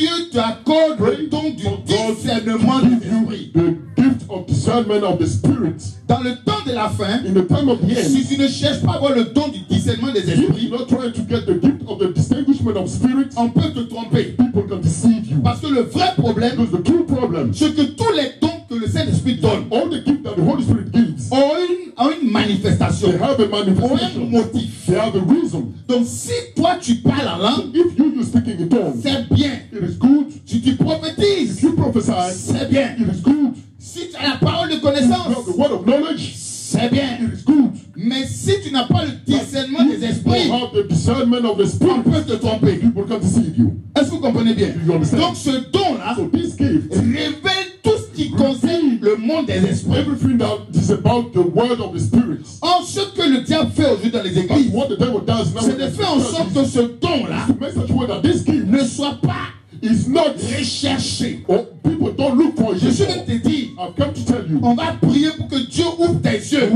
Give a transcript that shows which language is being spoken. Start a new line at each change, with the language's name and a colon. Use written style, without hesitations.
French: Dieu t'accorde le don du discernement de l'esprit.
English: The gift of discernment of the spirit.
French: Dans le temps de la fin,
English: in the time of the end,
French: si tu ne cherches pas à avoir le don du discernement des esprits,
English: not trying to get the gift of the distinguishment of spirits,
French: on peut te tromper.
English: People can deceive you.
French: Parce que le vrai problème,
English: because the true problem,
French: c'est que tous les dons que le Saint-Esprit donne,
English: all the gifts that the Holy Spirit gives,
French: ont une manifestation.
English: They have a manifestation.
French: Ont un motif.
English: They have a reason.
French: Donc si toi tu parles la langue,
English: so if you speaking in tongues,
French: c'est bien.
English: It is good.
French: Si tu prophétises,
English: if you prophesy,
French: c'est bien.
English: It is good.
French: Si tu as la parole de connaissance,
English: the word of knowledge,
French: c'est bien.
English: It is good.
French: Mais si tu n'as pas le discernement des esprits,
English: you have the discernment of the spirit,
French: on peut te tromper.
English: People can deceive you.
French: Est-ce que vous comprenez bien?
English: You understand?
French: Donc ce don là,
English: so this gift,
French: révèle tout ce qui concerne le monde des esprits.
English: Everything that is about the world of the spirits.
French: Or, ce que le diable fait aujourd'hui dans les églises,
English: what the devil does now,
French: c'est de faire en sorte que ce don là,
English: the message word that this gift,
French: ne soit pas,
English: is not,
French: recherché.
English: Oh, people don't look for it.
French: Je suis venu te dire,
English: I've come to tell you,
French: on va prier pour que Dieu ouvre tes yeux.